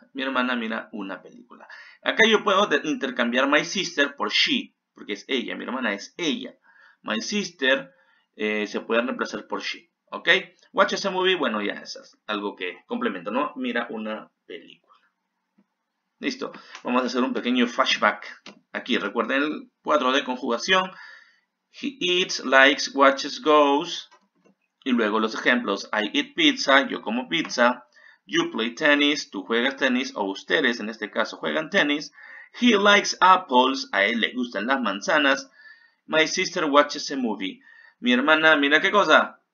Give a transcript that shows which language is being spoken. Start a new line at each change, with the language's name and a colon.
Spanish: Mi hermana mira una película. Acá yo puedo intercambiar
English: my sister
Spanish: por
English: she,
Spanish: porque es ella. Mi hermana es ella.
English: My sister
Spanish: se puede reemplazar por
English: she,
Spanish: ¿ok?
English: Watch a movie,
Spanish: bueno, ya es algo que complemento, ¿no? Mira una película. Listo. Vamos a hacer un pequeño flashback. Aquí, recuerden el cuadro de conjugación.
English: He eats, likes, watches, goes.
Spanish: Y luego los ejemplos,
English: I eat pizza,
Spanish: yo como pizza,
English: you play tennis,
Spanish: tú juegas tenis, o ustedes en este caso juegan tenis,
English: he likes apples,
Spanish: a él le gustan las manzanas,
English: my sister watches a movie,
Spanish: mi hermana mira qué cosa,